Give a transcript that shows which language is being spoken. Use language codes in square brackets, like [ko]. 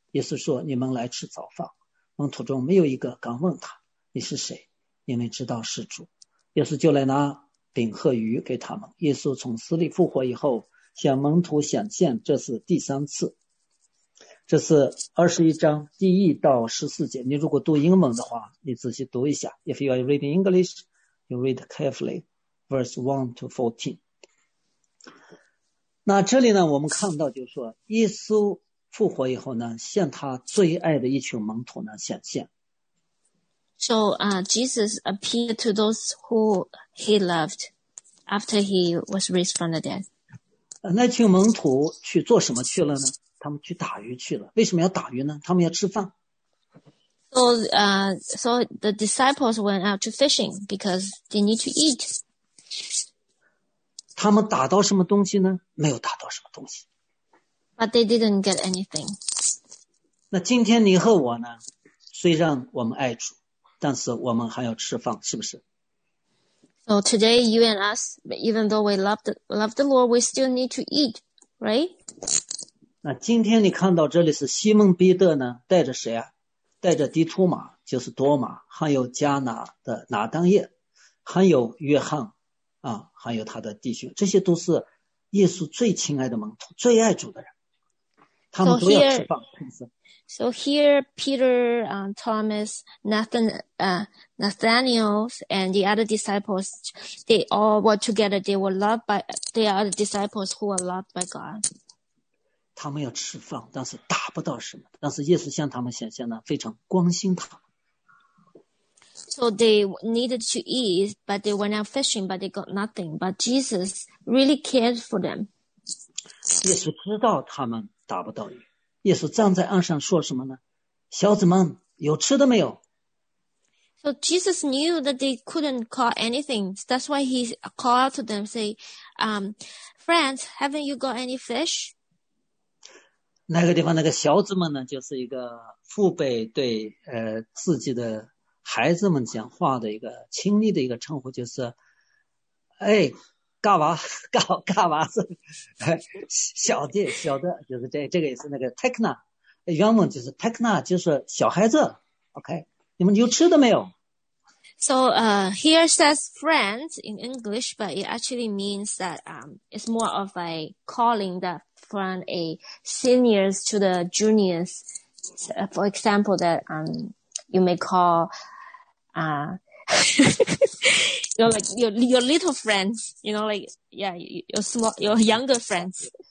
[zh] 耶稣说：“你们来吃早饭。” 门徒中没有一个敢问他：“你是谁？” 因为知道是主。耶稣就来拿饼和鱼给他们。耶稣从死里复活以后，向门徒显现，这是第三次。这是21章第一到14节。你如果读英文的话，你仔细读一下。 [en] If you are reading English, you read carefully, verse 1 to 14. [zh] 那这里呢，我们看到就是说，耶稣复活以后呢，向他最爱的一群门徒呢显现。 [en] So, Jesus appeared to those who he loved after he was raised from the dead. [zh] 那群门徒去做什么去了呢？他们去打鱼去了。为什么要打鱼呢？他们要吃饭。 [en] So the disciples went out to fishing because they need to eat. [zh] 他们打到什么东西呢？没有打到什么东西。 [en] But they didn't get anything. [zh] 那今天你和我呢？虽然我们爱主，但是我们还要吃饭，是不是？ [en] So today you and us, even though we love the Lord, we still need to eat, right? [zh] 那今天你看到这里是西蒙彼得呢，带着谁啊？带着迪图马，就是多马，还有迦拿的拿当叶，还有约翰，啊，还有他的弟兄，这些都是耶稣最亲爱的门徒，最爱主的人。他们都要吃饭。 [en] So here, Peter, Thomas, Nathaniel, and the other disciples, they all were together. They were loved by. They are the disciples who were loved by God. [zh] 他们要吃饭，但是打不到什么。但是耶稣向他们显现呢，非常关心他们。 [en] So they needed to eat, but they went out fishing, but they got nothing. But Jesus really cared for them. [zh] 耶稣知道他们打不到鱼。耶稣站在岸上说什么呢？小子们，有吃的没有？ [en] So Jesus knew that they couldn't call anything. That's why he called out to them, say, friends, haven't you got any fish? [zh] 那个地方那个小子们呢，就是一个父辈对自己的孩子们讲话的一个亲昵的一个称呼，就是哎，嘎娃子，小弟小的，就是这个也是那个 Tekna， 原文就是 Tekna， 就是小孩子 ，OK。你们有吃的没有？ [en] So, here says friends in English, but it actually means that, it's more of a calling that from a seniors to the juniors. So, for example, that, you may call, your, like, your little friends, you know, like, yeah, your small, your younger friends.